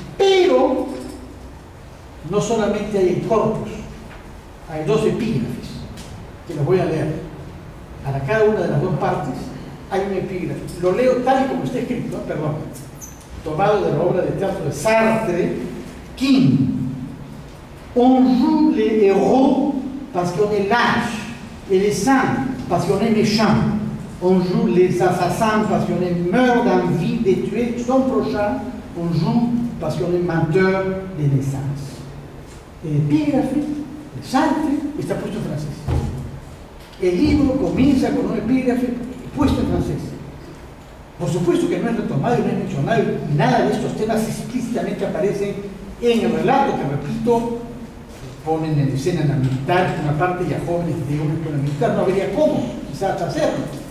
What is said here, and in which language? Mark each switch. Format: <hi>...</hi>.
<es>Pero no solamente hay el corpus, hay dos epígrafes. que los voy a leer. Para cada una de las dos partes hay un epígrafe. Lo leo tal y como está escrito, perdón, tomado de la obra de teatro de Sartre, King.</es> <fr>On joue les héros parce qu'on est lâche, et les saints parce qu'on est méchant. On joue les assassins parce qu'on est meurt d'envie de tuer son prochain. On joue parce qu'on est menteur de naissance.</fr> <es>El epígrafe de Sartre está puesto en francés. El libro comienza con un epígrafe puesto en francés. Por supuesto que no es retomado y no es mencionado, y nada de estos temas explícitamente aparecen en el relato que, repito, ponen en escena a la militar, una parte ya jóvenes de una escuela militar, no habría cómo quizás hacerlo.</es>